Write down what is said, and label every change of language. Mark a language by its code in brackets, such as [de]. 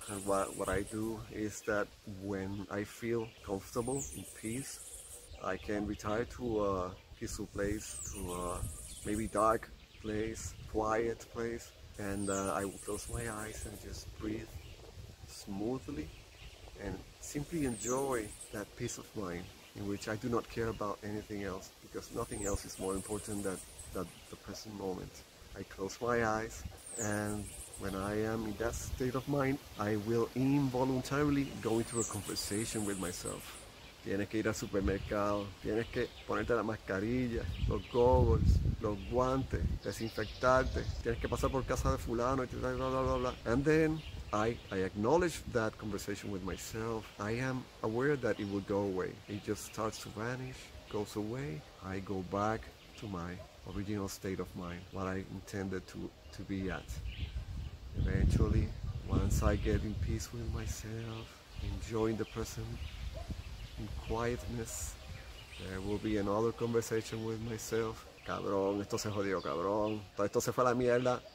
[en] And what I do is that when I feel comfortable in peace, I can retire to a peaceful place, to a maybe dark place, quiet place, and I will close my eyes and just breathe smoothly and simply enjoy that peace of mind in which I do not care about anything else, because nothing else is more important than the present moment. I close my eyes, and when I am in that state of mind, I will involuntarily go into a conversation with myself. [es] Tienes que ir al supermercado, tienes que ponerte la mascarilla, los goggles, los guantes, desinfectarte, tienes que pasar por casa de fulano, blah, blah, blah, blah, blah. [en] And then I acknowledge that conversation with myself. I am aware that it will go away. It just starts to vanish, goes away. I go back to my original state of mind, what I intended to be at. Eventually, once I get in peace with myself, enjoying the present in quietness, there will be another conversation with myself, [es] cabrón, esto se jodió, cabrón, todo esto se fue a la mierda.